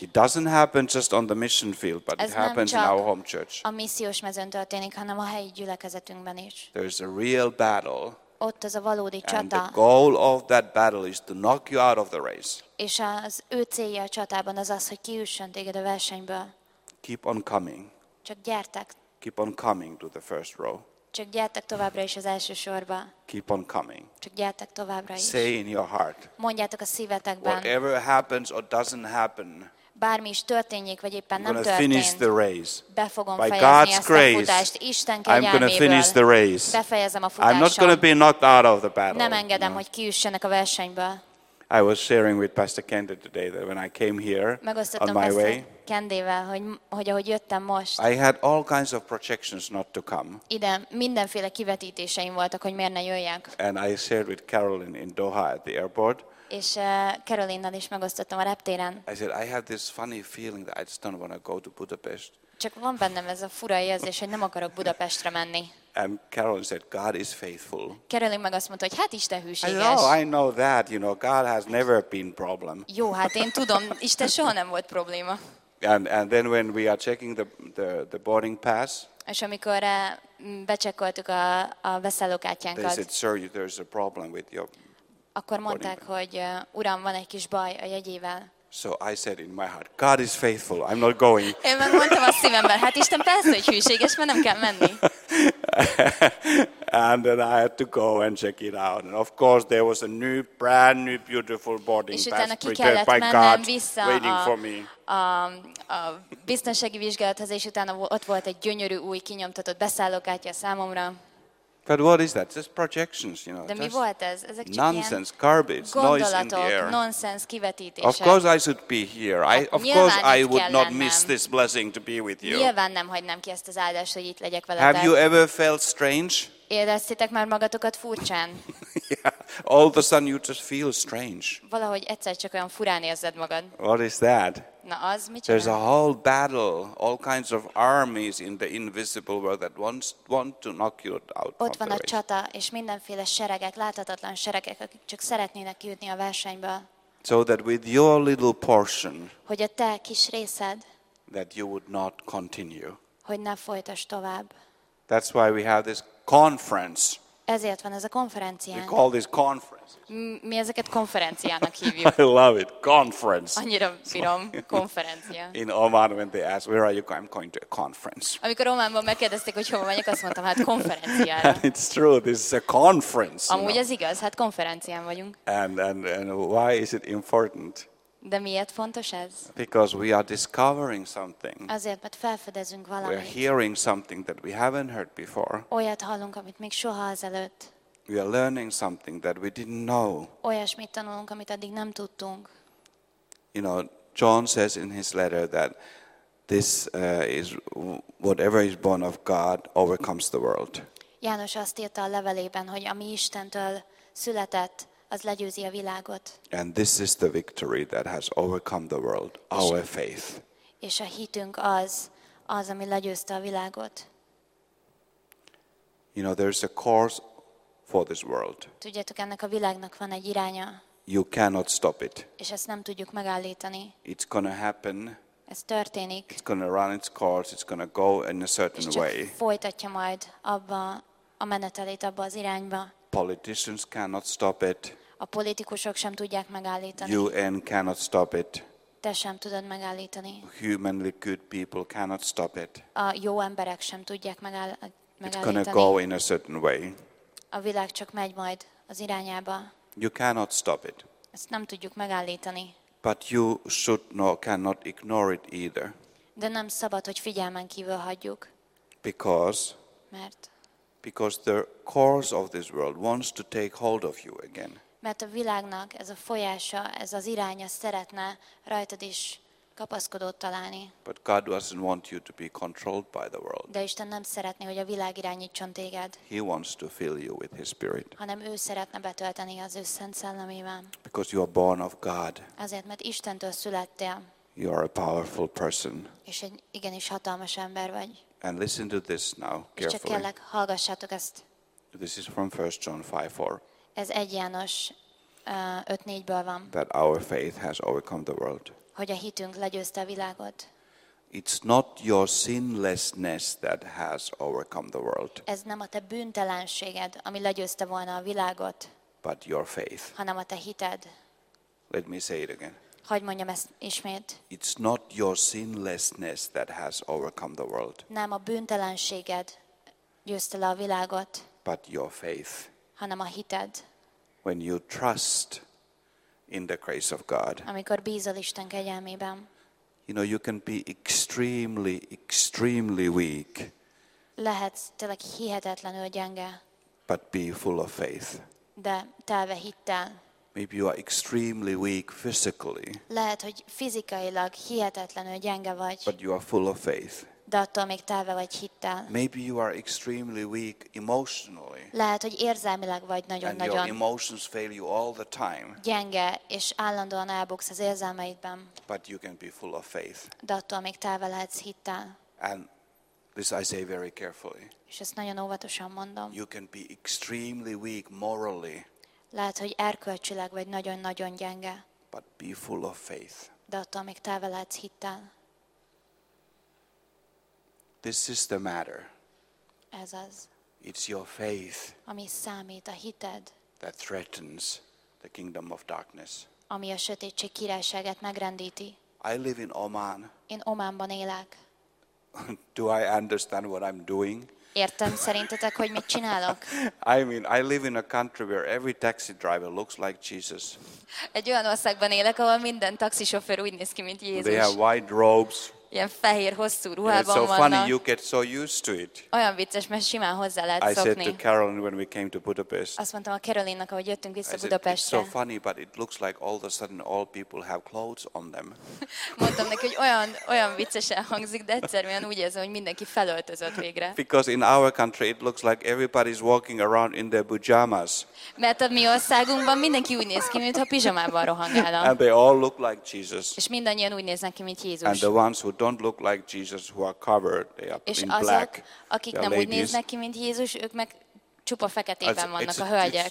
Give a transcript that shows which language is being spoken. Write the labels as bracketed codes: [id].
[en] It doesn't happen just on the mission field, but it happens in our home church. [hu] A missziós mezőn történik, hanem a helyi gyülekezetünkben is. [en] There is a real battle. [hu] Ott az a valódi csata. [en] And the goal of that battle is to knock you out of the race. [hu] És az ő célja a csatában az, hogy kiüssön téged a versenyből. [en] Keep on coming. [hu] Csak gyertek. [en] Keep on coming to the first row. [hu] Csak gyertek továbbra is az első sorba. [en] Keep on coming. [hu] Csak gyertek továbbra is. [en] Say in your heart. [hu] Mondjátok a szívetekben. [en] Whatever happens or doesn't happen. [hu] Bármi is történjék, vagy éppen nem történt. [en] I'm going to finish the race. [hu] Be fogom fejezni ezt a futást. Isten kegyelméből. [en] I'm going to finish the race. [hu] Befejezem a futáson. [en] I'm not going to be knocked out of the battle. [hu] Nem engedem, hogy kiüssenek a versenyből. [en] I was sharing with Pastor Kendi today that when I came here on my way, [hu] Kendivel, hogy ahogy jöttem most, [en] I had all kinds of projections not to come. [hu] Ide mindenféle kivetítéseim voltak, hogy miért ne jöjjek. [en] And I shared with Caroline in Doha at the airport. [hu] És Caroline-nal is megosztottam a reptéren. [en] I said, I have this funny feeling that I just don't want to go to Budapest. [hu] Csak van bennem ez a fura érzés, hogy nem akarok Budapestre menni. [en] And Carol said, God is faithful. [hu] Caroline meg azt mondta, hogy hát Isten hűséges. [en] I know that, you know, God has never been problem. [hu] Jó, hát én tudom, Isten soha nem volt probléma. [en] And then when we are checking the boarding pass. [hu] És amikor becsekkoltuk a beszállókártyánkat. [en] They said, sir, there's a problem with your. [hu] Akkor mondták, hogy uram, van egy kis baj a jegyével. [en] So I said in my heart, God is faithful. I'm not going. [hu] Én megmondtam a szívemben, hát Isten persze, hogy hűséges, mert nem kell menni. [en] And then I had to go and check it out. And of course, there was a new, brand new, beautiful boarding pass. [hu] És utána ki kellett mennem vissza a biztonsági vizsgálathoz, és utána ott volt egy gyönyörű új kinyomtatott beszállókártya számomra. [en] But what is that? Just projections, you know. [hu] De mi volt ez? Ezek csak [en] nonsense, garbage, noise in the air. [hu] Nonsense, kivetítések. [en] Of course I should be here. I would not miss this blessing to be with you. [hu] Nyilván nem hagynám ki ezt az áldást, hogy itt legyek veletek. [en] Have you ever felt strange? [hu] Éreztétek már magatokat furcsán? [en] Yeah. All of a sudden you just feel strange. [hu] Valahogy egyszer csak olyan furán érzed magad. [en] What is that? [hu] Na, az mit csinál? [en] There's a whole battle, all kinds of armies in the invisible world that want to knock you out. [hu] Ott van a csata, és mindenféle seregek, láthatatlan seregek, akik csak szeretnének kijutni a versenyből. [en] So that with your little portion, [hu] hogy a te kis részed, [en] that you would not continue. [hu] Hogy ne folytass tovább. [en] That's why we have this conference. [hu] Ezért van ez a konferencián. [en] We call this conference. [hu] Mi ezeket konferenciának hívjuk. [en] I love it, conference. [hu] Annyira bírom, konferencia. [en] In Oman, when they ask, where are you going? I'm going to a conference. [hu] Amikor Ománban megkérdezték, hogy hova megyek, azt mondtam, hát konferenciára. [en] And it's true, this is a conference. [hu] Amúgy ez igaz, hát konferencián vagyunk. [en] And why is it important? [hu] De miért fontos ez? [en] Because we are discovering something. [hu] Azért, mert felfedezünk valamit. [en] We are hearing something that we haven't heard before. [hu] Olyat hallunk, amit még soha azelőtt. [en] We are learning something that we didn't know. [hu] Olyasmit tanulunk, amit addig nem tudtunk. [en] You know, John says in his letter that this is whatever is born of God overcomes the world. [hu] János azt írta a levelében, hogy ami Istentől született, az legyőzi a világot. [en] And this is the victory that has overcome the world, our faith. [hu] És a hitünk az, ami legyőzte a világot. [en] You know, there's a course for this world. [hu] Tudjátok, ennek a világnak van egy iránya. [en] You cannot stop it. [hu] És ezt nem tudjuk megállítani. [en] It's gonna happen. [hu] Ez történik. [en] It's gonna run its course, it's gonna go in a certain way. [hu] És csak folytatja majd abba a menetelét, abba az irányba. [en] Politicians cannot stop it. [hu] A politikusok sem tudják megállítani. [en] UN cannot stop it. [hu] Te sem tudod megállítani. [en] Humanly good people cannot stop it. [hu] A jó emberek sem tudják megállítani. [en] It's gonna go in a certain way. [hu] A világ csak megy majd az irányába. [en] You cannot stop it. [hu] Ezt nem tudjuk megállítani. [en] But you should not, cannot ignore it either. [hu] De nem szabad, hogy figyelmen kívül hagyjuk. [en] Because. [hu] Mert. [en] Because the course of this world wants to take hold of you again. [hu] Mert a világnak ez a folyása, ez az iránya szeretne rajtad is kapaszkodót találni. [en] But God doesn't want you to be controlled by the world. [hu] De Isten nem szeretné, hogy a világ irányítson téged. [en] He wants to fill you with His Spirit. [hu] Hanem ő szeretne betölteni az ő Szent Szellemével. [en] Because you are born of God. [hu] Azért, mert Istentől születtél. [en] You are a powerful person. [hu] És egy igenis hatalmas ember vagy. [en] And listen to this now carefully. [hu] Csak kérlek, hallgassátok ezt. [en] This is from 1 John 5:4. [hu] Ez 1 János 5:4-ből van. [en] That our faith has overcome the world. [hu] Hogy a hitünk legyőzte a világot. [en] It's not your sinlessness that has overcome the world. [hu] Ez nem a te bűntelenséged, ami legyőzte volna a világot. [en] But your faith. [hu] Hanem a te hited. [en] Let me say it again. [hu] Hogy mondjam ezt ismét? [en] It's not your sinlessness that has overcome the world. [hu] Nem a bűntelenséged győzte le a világot. [en] But your faith. [hu] Hanem a hited. [en] When you trust in the grace of God. [hu] Amikor bízol Isten kegyelmében. [en] You know, you can be extremely, extremely weak. [hu] Lehetsz tényleg hihetetlenül gyenge. [en] But be full of faith. [hu] De telve hittel. [en] Maybe you are extremely weak physically. [hu] Lehet, hogy fizikailag hihetetlenül gyenge vagy. [en] But you are full of faith. [hu] De attól még telve vagy hittel. [en] Maybe you are extremely weak emotionally. [hu] Lehet, hogy érzelmileg vagy nagyon-nagyon. [en] And your emotions fail you all the time. [hu] Gyenge, és állandóan elbuksz az érzelmeidben. [en] But you can be full of faith. [hu] De attól még telve lehetsz hittel. [en] And this I say very carefully. [hu] És ezt nagyon óvatosan mondom. [en] You can be extremely weak morally. [hu] Lehet, hogy erkölcsileg vagy nagyon-nagyon gyenge. [en] But be full of faith. [hu] De attól még telve lehetsz hittel. [en] This is the matter. [hu] Ez az. [en] It's your faith. [hu] Ami számít, a hited. [en] That threatens the kingdom of darkness. [hu] Ami a sötétség királyságát megrendíti. [en] I live in Oman. [hu] Én Ománban élek. [en] Do I understand what I'm doing? [hu] Értem szerintetek, hogy mit csinálok? [en] I mean, I live in a country where every taxi driver looks like Jesus. [hu] Egy olyan országban élek, ahol minden taxisofőr úgy néz ki, mint Jézus. [en] They have white robes. [hu] Ilyen fehér, hosszú ruhában vannak. [en] It's so funny, you get so used to it. [hu] Olyan vicces, mert simán hozzá lehet szokni. [en] I said to Caroline when we came to Budapest. [hu] Azt mondtam a Caroline-nak, ahogy jöttünk vissza Budapestre. [en] It's so funny, but it looks like all of a sudden all people have clothes on them. [hu] Mondtam neki, hogy olyan viccesen hangzik, de egyszerűen úgy érzem, hogy mindenki felöltözött végre. [en] Because in our country it looks like everybody's walking around in their pajamas. [hu] Mert a mi országunkban mindenki úgy néz ki, mintha pizsamában rohangálna. [en] And they all look like Jesus. [hu] És mindannyian úgy néznek ki, mint Jézus. [en] And the ones who don't look like Jesus who are covered, they are [hu] és [en] in black. [hu] Akik nem ladies. Úgy néznek ki, mint Jézus, ők meg csupa feketében vannak a hölgyek.